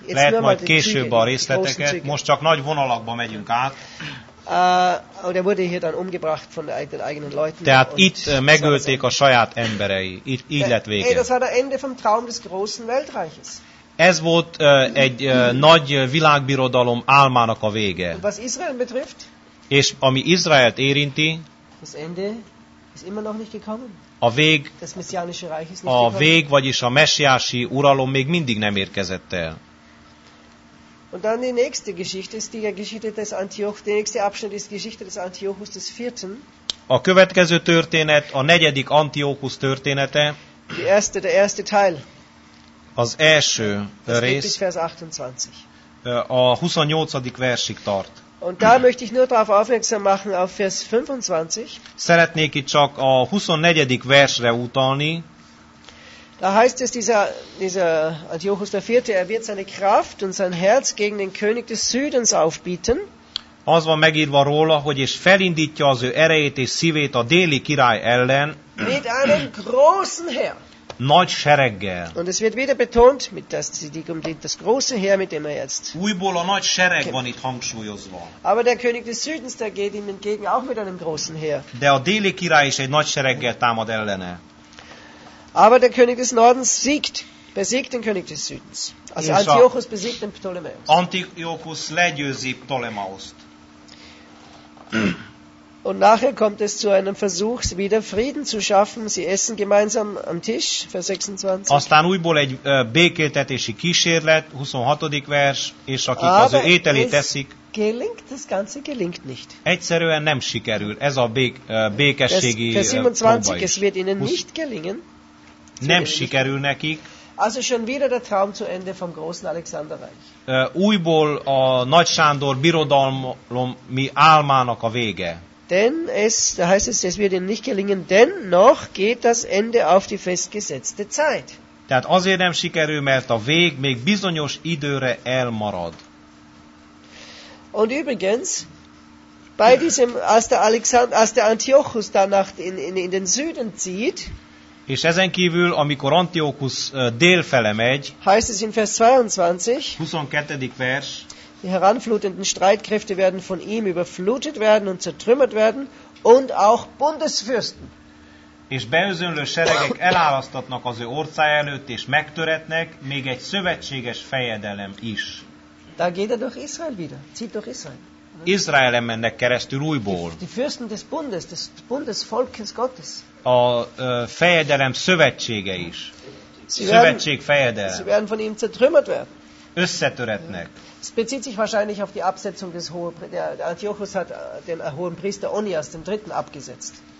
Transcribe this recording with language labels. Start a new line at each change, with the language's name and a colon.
Hungarian: Lehet majd később a részleteket. Most csak nagy vonalakba megyünk át.
German: Der wurde hier dann umgebracht von den eigenen Leuten.
Hungarian: Tehát itt megölték a saját emberei. Így lett vége.
German: Das war der Ende vom Traum des großen Weltreiches.
Hungarian: Ez volt egy nagy világbirodalom álmának a vége.
German: Und was Israel betrifft?
Hungarian: És ami Izraelt érinti?
German: Das Ende ist immer noch nicht gekommen.
Hungarian: A vég,
German: das messiánische Reich ist nicht a gekommen.
Hungarian: Vég, vagyis a messiási uralom még mindig nem érkezett el.
German: Und dann die nächste Geschichte ist die Geschichte des Antiochus, der nächste Abschnitt ist die Geschichte des Antiochus des Vierten.
Hungarian: A következő történet, a negyedik Antiochus története.
German: Die erste, der erste Teil.
Hungarian: Az első rész.
German: Bis Vers 28.
Hungarian: A 28. versig tart.
German: Und da möchte ich nur darauf aufmerksam machen auf Vers 25.
Hungarian: Szeretnék itt csak a 24. versre utalni.
German: Da heißt es, dieser Antiochus der Vierte, er wird seine Kraft und sein Herz gegen den König des Südens aufbieten.
Hungarian: Az van megírva róla, hogy és felindítja az ő erejét és szívét a déli király ellen.
German: Mit einem großen Heer.
Hungarian: Nagy sereggel.
German: Und es wird wieder betont, mit das große Heer, mit dem er jetzt.
Hungarian: Újból a nagy sereg van itt hangsúlyozva.
German: Aber der König des Südens, der geht ihm entgegen auch mit einem großen Heer.
Hungarian: De a déli király is egy nagy sereggel támad ellene.
German: Aber der König des Nordens besiegt den König des Südens. Also Antiochus besiegt den Ptolemäus.
Hungarian: Antiochus legyőzi Ptolemaust.
German: Und nachher kommt es zu einem Versuch, wieder Frieden zu schaffen. Sie essen gemeinsam am Tisch, Vers 26.
Hungarian: Aztán újból egy békéltetési kísérlet, 26. vers, és akik aber az ő ételét teszik.
German: Gelingt, das Ganze gelingt nicht.
Hungarian: Egyszerűen nem sikerül. Ez a békességi próba.
German: Vers 27, es wird ihnen nicht gelingen.
Hungarian: Nem sikerül nekik.
German: Also schon wieder der Traum zu Ende vom großen Alexanderreich.
Hungarian: Újból a Nagy Sándor birodalmi álmának a vége.
German: Denn es, da heißt es, es wird ihnen nicht gelingen, denn noch geht das Ende auf die festgesetzte Zeit.
Hungarian: Tehát azért nem sikerül, mert a vég még bizonyos időre elmarad.
German: Und übrigens, bei diesem, als der Antiochus danach in den Süden zieht,
Hungarian: és ezen kívül, amikor Antiochus délfele megy,
German: heißt es in Vers 22,
Hungarian: 22. vers,
German: die heranflutenden Streitkräfte werden von ihm überflutet werden und zertrümmert werden, und auch Bundesfürsten.
Hungarian: És beözönlő seregek elárasztatnak az ő orcája előtt, és megtöretnek, még egy szövetséges fejedelem is.
German: Da geht er durch Israel wieder, zieht durch Israel.
Hungarian: Izraelen mennek keresztül újból.
German: Die Fürsten des Bundes, des Bundesvolkes Gottes.
Hungarian: A fejedelem szövetsége is. Szövetség fejedelem.
German: Sie werden von ihm zertrümmert werden.
Hungarian: Összetöretnek.
German: Es bezieht sich wahrscheinlich auf die Absetzung des Antiochus hat den hohen Priester Onias den dritten abgesetzt.